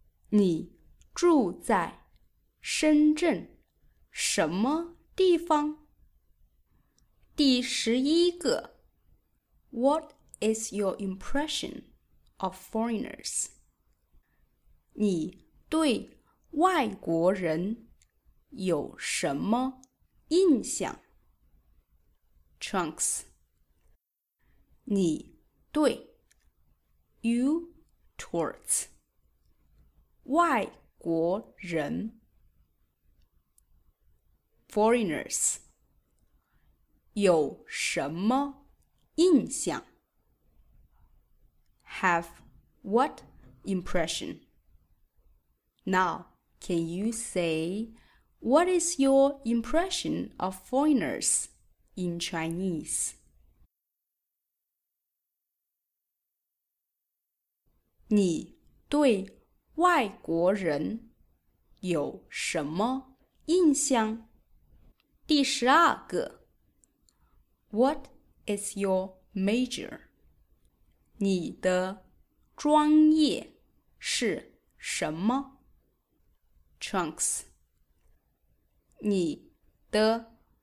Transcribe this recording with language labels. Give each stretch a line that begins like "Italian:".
Chinese: 你住在深圳什么地方？第十一个
English: What is your impression of foreigners?
Chinese: 你对外国人有什么印象
English: Trunks
Chinese: 你对
English: You towards
Chinese: 外国人
English: Foreigners
Chinese: 有什么印象
English: Have what impression? Now, can you say... What is your impression of foreigners in Chinese?
Chinese: 你对外国人有什么印象？第十二个
English: What is your major?
Chinese: 你的专业是什么
English: ？Trunks.
Chinese: 你的